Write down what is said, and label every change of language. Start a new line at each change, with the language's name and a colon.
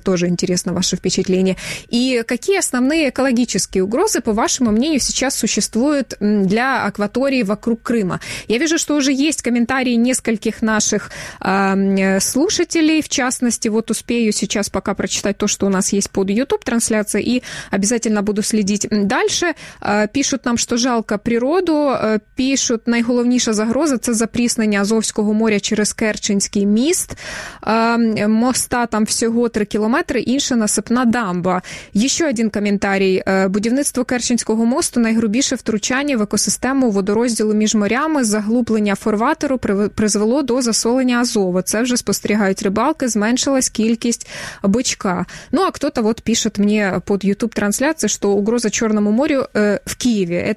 Russian: Тоже интересно ваше впечатление. И какие основные экологические угрозы, по вашему мнению, сейчас существуют для акватории вокруг Крыма? Я вижу, что уже есть комментарии нескольких наших слушателей, в частности, вот успею сейчас пока прочитать то, что у нас есть под YouTube-трансляцией, и обязательно буду следить дальше. Пишут нам, что жалко природу, пишут,
Ukrainian: найголовніша загроза – це запріснення Азовського моря через Керченський міст, моста там всього 3 кілометри, інша насипна дамба.
Russian: Еще один комментарий.
Ukrainian: Будівництво Керченського мосту – найгрубіше втручання в екосистему водорозділу між морями, заглублення фарватеру призвело до засолення Азова. Це вже спостерігають рибалки, зменшилась кількість бичка.
Russian: Ну, а хтось вот пишет мне под YouTube-трансляцией, что угроза Черному морю в Киеве.